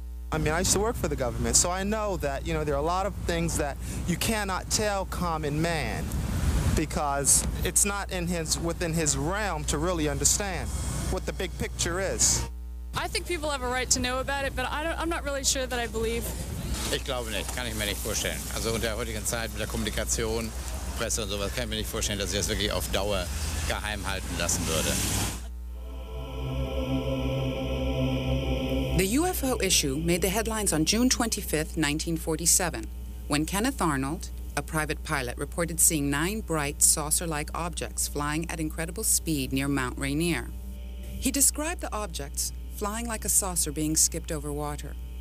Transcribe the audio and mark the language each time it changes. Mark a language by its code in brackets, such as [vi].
[en] I mean, I used to work for the government, so I know that, you know, there are a lot of things that you cannot tell common man because it's not in his within his realm to really understand what the big picture is. I think people have a right to know about it, but I'm not really sure that I believe. [de] Ich glaube nicht, kann ich mir nicht vorstellen. Also in der heutigen Zeit mit der Kommunikation, Presse und sowas, kann ich mir nicht vorstellen, dass sie das wirklich auf Dauer geheim halten lassen würde. [en] The UFO issue made the headlines on June 25, 1947, when Kenneth Arnold, a private pilot, reported seeing nine bright saucer-like objects flying at incredible speed near Mount Rainier. He described the objects flying like a saucer being skipped over water.